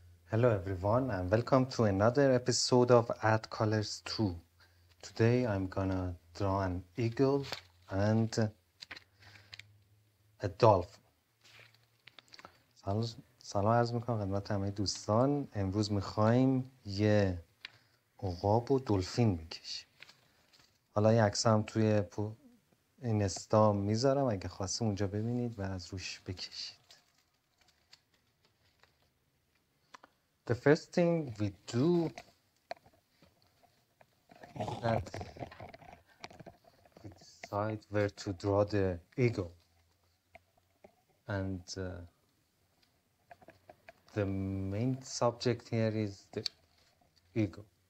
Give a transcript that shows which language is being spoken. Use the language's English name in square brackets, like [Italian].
[English] Hello everyone and welcome to another episode of Add Colors 2. Today I'm gonna draw an eagle and a dolphin. [Persian] سلام عرض میکنم خدمت همه دوستان. امروز میخواییم یه عقاب و دلفین بکشیم. حالا یه عکس هم توی اینستا میذارم اگه خواستیم اونجا ببینید و از روش بکشید. [English] The first thing we do is that we decide where to draw the eagle and the main subject here is the eagle.